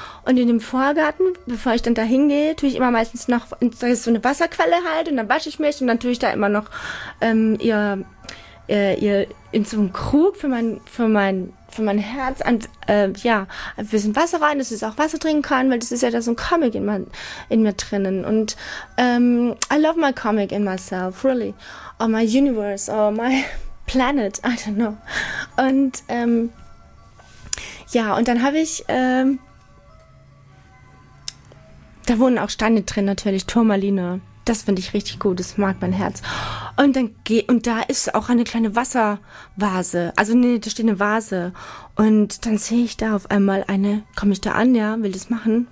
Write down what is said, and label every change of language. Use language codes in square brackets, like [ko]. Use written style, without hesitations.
[de] Und in dem Vorgarten, bevor ich dann da hingehe, tue ich immer meistens noch, da ist so eine Wasserquelle halt, und dann wasche ich mich, und dann tue ich da immer noch ihr in so einen Krug für mein Herz, und ein bisschen Wasser rein, dass ich auch Wasser trinken kann, weil das ist ja da so ein Comic in mir drinnen. [en] Und I love my comic in myself, really. Or my universe, or my planet, I don't know. [de] Und und dann habe ich, da wohnen auch Steine drin natürlich, Turmaline. Das finde ich richtig gut, das mag mein Herz. Und dann und da ist auch eine kleine Wasservase. Also nee, da steht eine Vase. Und dann sehe ich da auf einmal eine, komme ich da an, ja, will das machen.